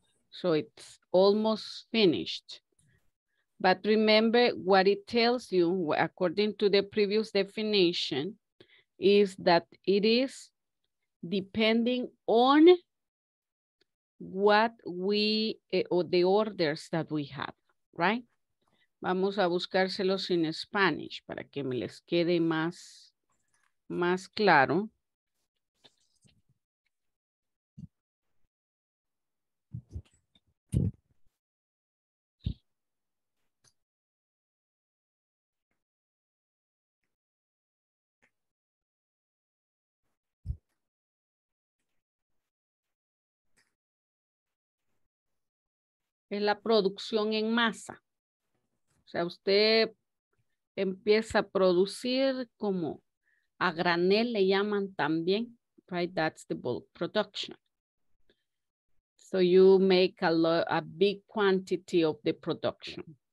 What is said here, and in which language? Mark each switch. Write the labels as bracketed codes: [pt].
[en] So it's almost finished. But remember what it tells you, according to the previous definition, is that it is depending on what we, or the orders that we have, right? [es] Vamos a buscárselos en Spanish para que me les quede más, más claro. Es la producción en masa. O sea, usted empieza a producir como a granel, le llaman también, right? [en] That's the bulk production. So you make a big quantity of the production.